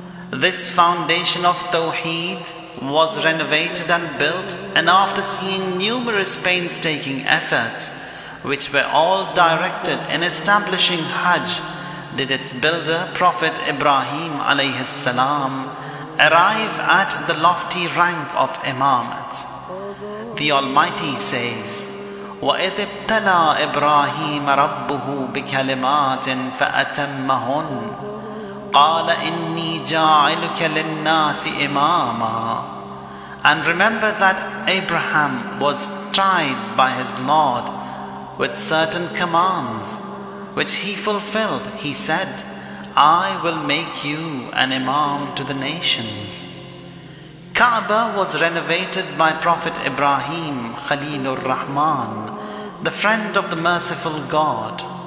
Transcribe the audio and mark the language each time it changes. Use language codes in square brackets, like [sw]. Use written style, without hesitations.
[en] This foundation of Tawheed was renovated and built, and after seeing numerous painstaking efforts which were all directed in establishing Hajj, did its builder, Prophet Ibrahim alayhi salam, arrive at the lofty rank of Imamat. The Almighty says, [ar] وَإِذْ ابْتَلَى إِبْرَاهِيمَ رَبُّهُ بِكَلِمَاتٍ فَأَتَمَّهُنْ قَالَ إِنِّي جَاعِلُكَ لِلنَّاسِ إِمَامًا. [en] And remember that Abraham was tried by his Lord with certain commands, which he fulfilled. He said, "I will make you an imam to the nations." Kaaba was renovated by Prophet Ibrahim Khalilur Rahman, the friend of the merciful God.